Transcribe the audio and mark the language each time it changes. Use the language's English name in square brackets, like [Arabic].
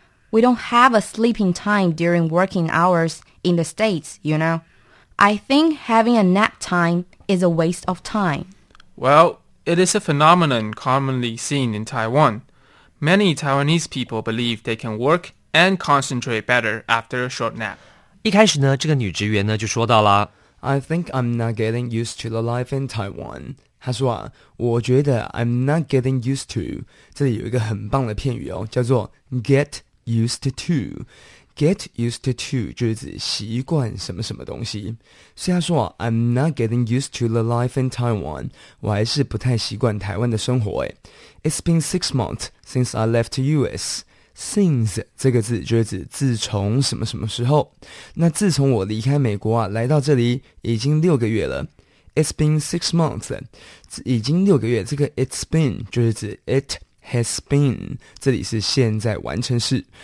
[English] We don't have a sleeping time during working hours in the States, you know. I think having a nap time is a waste of time. Well... It is a phenomenon commonly seen in Taiwan. Many Taiwanese people believe they can work and concentrate better after a short nap. [Chinese] 一开始呢，这个女职员呢就说到了 [English] I think I'm not getting used to the life in Taiwan. [Chinese] 她说啊，我觉得 [English] I'm not getting used to. [Chinese] 这里有一个很棒的片语哦，叫做 [English] get used to. Get used to [Chinese] 就是指习惯什么什么东西。所以他说 [English] I'm not getting used to the life in Taiwan. [Chinese] 我还是不太习惯台湾的生活诶。 [English] It's been 6 months since I left US. Since [Chinese] 这个字就是指自从什么什么时候。那自从我离开美国啊来到这里已经六个月了。 [English] It's been 6 months. [Chinese] 已经六个月这个 [English] it's been [Chinese] 就是指 [English] it,Has been, [Chinese] 这里是现在完成式。